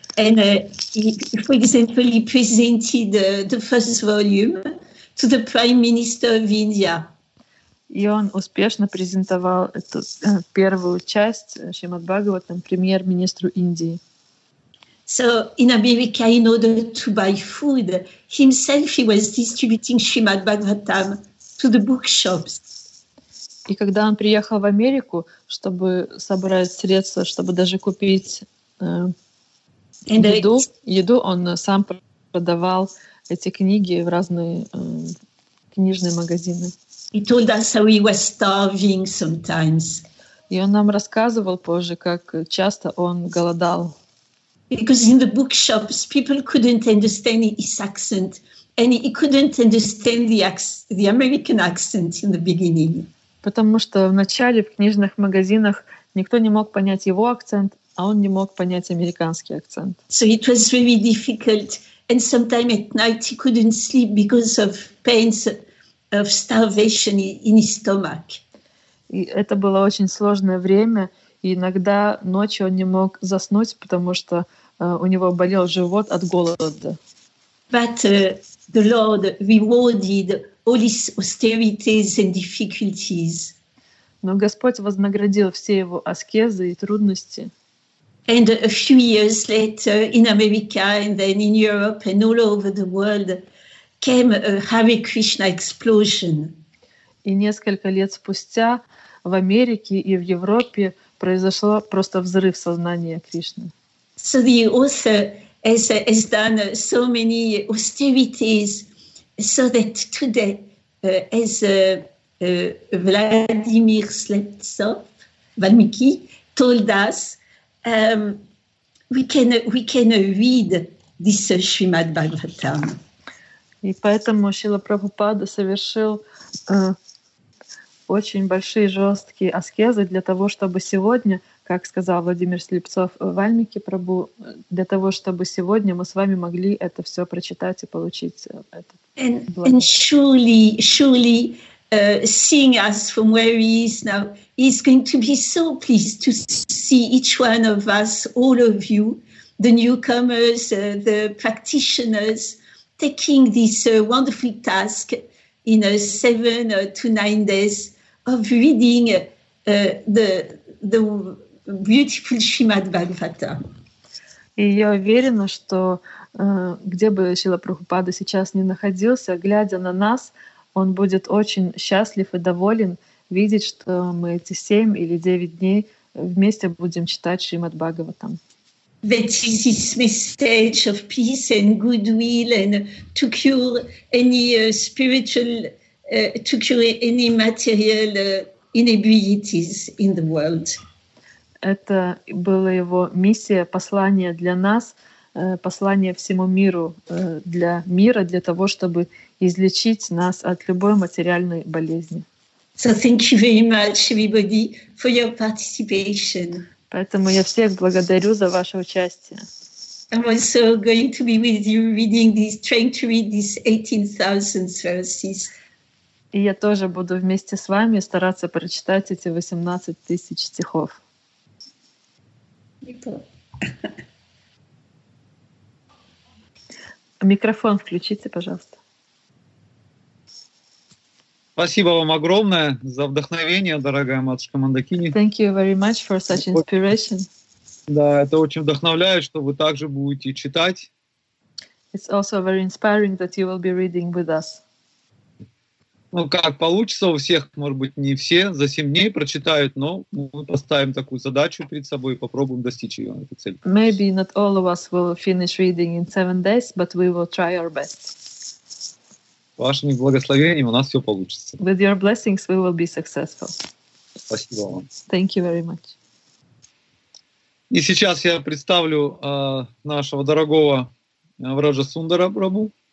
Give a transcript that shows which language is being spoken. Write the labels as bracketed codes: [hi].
[en] And he, for example, he presented the first volume to the Prime Minister of India. [ru] И он успешно презентовал эту первую часть Шримад Бхагаватам премьер-министру Индии. [en] So in America, in order to buy food, himself he was distributing Shrimad Bhagavatam to the bookshops. [ru] И когда он приехал в Америку, чтобы собрать средства, чтобы даже купить еду, он сам продавал эти книги в разные книжные магазины. [en] He told us how he was starving sometimes. [ru] И он нам рассказывал позже, как часто он голодал. [en] Because in the bookshops people couldn't understand his accent, and he couldn't understand the American accent in the beginning. [ru] Потому что вначале в книжных магазинах никто не мог понять его акцент, а он не мог понять американский акцент. [en] So it was really difficult, and sometimes at night he couldn't sleep because of pains. Of starvation in his stomach. [ru] И это было очень сложное время, и иногда ночью он не мог заснуть, потому что у него болел живот от голода. [en] But the Lord rewarded all his austerities and difficulties. [ru] Но Господь вознаградил все его аскезы и трудности. [en] And a few years later, in America, and then in Europe, and all over the world, came a Hare Krishna explosion. [ru] И несколько лет спустя в Америке и в Европе произошло просто взрыв сознания Кришны. [en] So the author has done so many austerities so that today, as Vladimir Slepsov, Valmiki, told us, we can read this Srimad Bhagavatam. [ru] И поэтому Шрила Прабхупада совершил очень большие жесткие аскезы для того, чтобы сегодня, как сказал Владимир Слепцов Вальмики Прабху, для того, чтобы сегодня мы с вами могли это все прочитать и получить этот благо. [en] And surely, seeing us from where he is now, he's going to be so pleased to see each one of us, all of you, the newcomers, the practitioners, taking this wonderful task in a 7 to 9 days of reading the beautiful Srimad Bhagavatam. [ru] И я уверена, что где бы Шрила Прабхупада сейчас ни находился, глядя на нас, он будет очень счастлив и доволен видеть, что мы эти 7 или 9 дней вместе будем читать Шримад Бхагаватам. [en] That is his message of peace and goodwill, and to cure any spiritual, to cure any material inebrieties in the world. [ru] Это была его миссия, послание для нас, послание всему миру, для мира, для того, чтобы излечить нас от любой материальной болезни. [en] So thank you very much, everybody, for your participation. [ru] Поэтому я всех благодарю за ваше участие. [en] I'm also going to be with you reading this, trying to read these 18,000 verses. [ru] И я тоже буду вместе с вами стараться прочитать эти 18,000 стихов. Микрофон включите, пожалуйста. Спасибо вам огромное за вдохновение, дорогая матушка Мандакини. [en] Thank you very much for such inspiration. [ru] Да, это очень вдохновляет, что вы также будете читать. [en] It's also very inspiring that you will be reading with us. [ru] Ну как получится у всех, может быть, не все за 7 дней прочитают, но мы поставим такую задачу перед собой и попробуем достичь ее, этой цели. [en] Maybe not all of us will finish reading in 7 days, but we will try our best. [ru] Вашими благословениями у нас все получится. [en] With your blessings we will be successful. [ru] Спасибо вам. [en] Thank you very much. [ru] И сейчас я представлю нашего дорогого Враджа Сундара Прабу.